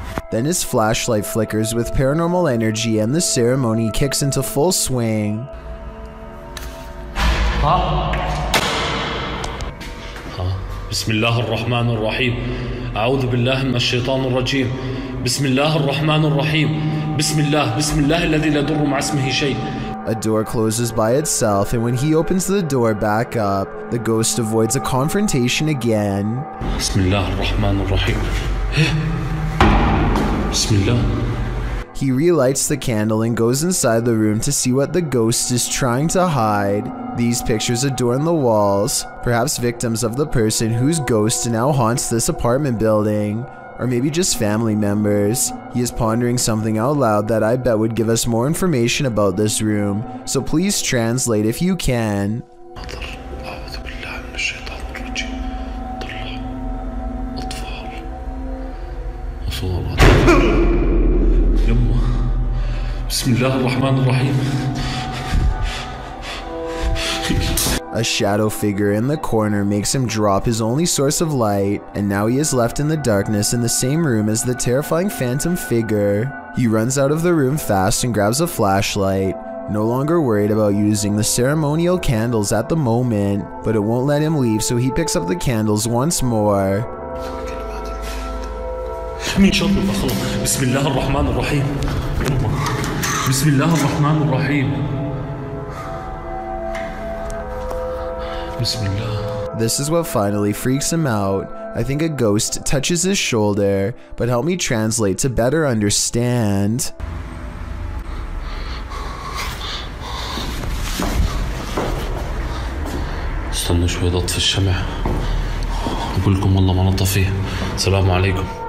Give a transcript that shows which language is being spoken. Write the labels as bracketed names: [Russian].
[English] Then his flashlight flickers with paranormal energy and the ceremony kicks into full swing. Huh? [Arabic] بسم الله الرحمن الرحيم أعوذ بالله من الشيطان الرجيم بسم الله الرحمن الرحيم بسم الله الذي لا يضر مع اسمه شيء. [English] A door closes by itself, and when he opens the door back up, the ghost avoids a confrontation again. [Arabic] بسم الله الرحمن الرحيم بسم الله. [English] He relights the candle and goes inside the room to see what the ghost is trying to hide. These pictures adorn the walls, perhaps victims of the person whose ghost now haunts this apartment building, or maybe just family members. He is pondering something out loud that I bet would give us more information about this room, so please translate if you can. A shadow figure in the corner makes him drop his only source of light, and now he is left in the darkness in the same room as the terrifying phantom figure. He runs out of the room fast and grabs a flashlight, no longer worried about using the ceremonial candles at the moment, but it won't let him leave, so he picks up the candles once more. [Arabic] بسم الله الرحمن الرحيم بسم الله. [English] This is what finally freaks him out. I think a ghost touches his shoulder, but help me translate to better understand. [Arabic] استنى شوي ضطف الشمع اقول لكم والله ما نطفيه. السلام عليكم.